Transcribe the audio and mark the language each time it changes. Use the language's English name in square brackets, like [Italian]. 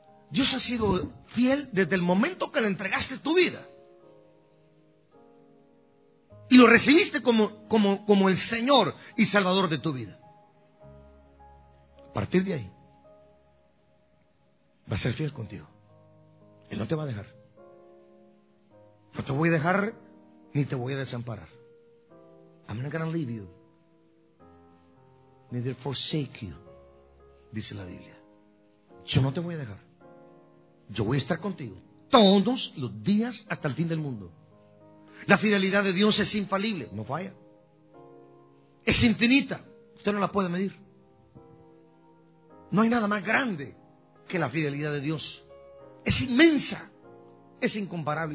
[Spanish] Dios ha sido fiel desde el momento que le entregaste tu vida y lo recibiste como el Señor y Salvador de tu vida. A partir de ahí, va a ser fiel contigo. Él no te va a dejar. No te voy a dejar ni te voy a desamparar. [English] I'm not going to leave you, neither forsake you, [Spanish] dice la Biblia. Yo no te voy a dejar. Yo voy a estar contigo todos los días hasta el fin del mundo. La fidelidad de Dios es infalible, no falla. Es infinita, usted no la puede medir. No hay nada más grande que la fidelidad de Dios. Es inmensa, es incomparable.